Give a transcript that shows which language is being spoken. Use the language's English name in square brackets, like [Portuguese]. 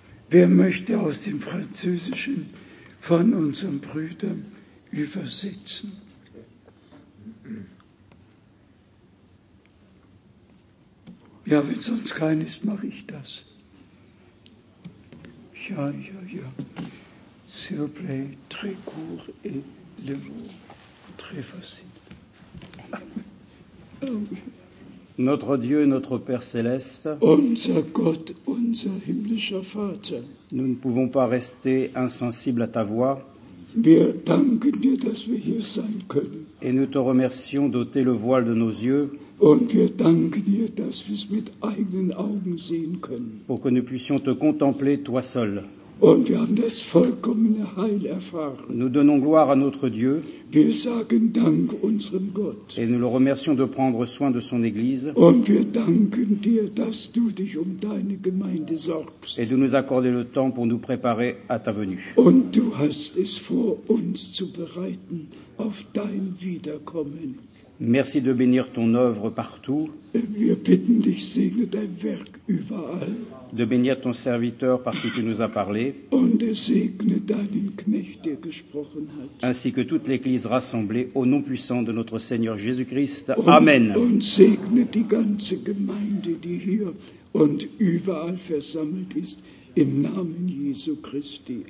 [German] Wer möchte aus dem Französischen von unseren Brüdern übersetzen? Ja, wenn sonst keiner ist, mache ich das. Ja, ja, ja. [French] S'il vous plaît, très court et le mot très facile. Notre Dieu et notre Père céleste, [German] unser Gott, unser himmlischer Vater, [French] nous ne pouvons pas rester insensibles à ta voix. [German] Wir danken dir, dass wir hier sein können. [French] Et nous te remercions d'ôter le voile de nos yeux. [German] Und wir danken dir, dass wir es mit eigenen Augen sehen können. [French] Pour que nous puissions te contempler toi seul. [German] Und wir haben das vollkommene Heil erfahren. [French] Nous donnons gloire à notre Dieu. [German] Wir sagen Dank unserem Gott. [French] Et nous le remercions de prendre soin de son Église. [German] Und wir danken dir, dass du dich um deine Gemeinde sorgst. [French] Et de nous accorder le temps pour nous préparer à ta venue. [German] Und du hast es vor uns zu bereiten auf dein Wiederkommen. [French] Merci de bénir ton œuvre partout. [German] Wir bitten dich, segne dein Werk überall. [French] De bénir ton serviteur par qui tu nous as parlé. [German] Und segne deinen Knecht, der gesprochen hat. [French] Ainsi que toute l'Église rassemblée au nom puissant de notre Seigneur Jésus-Christ. Amen. [German] Und segne die ganze Gemeinde, die hier und überall versammelt ist, im Namen Jesu Christi.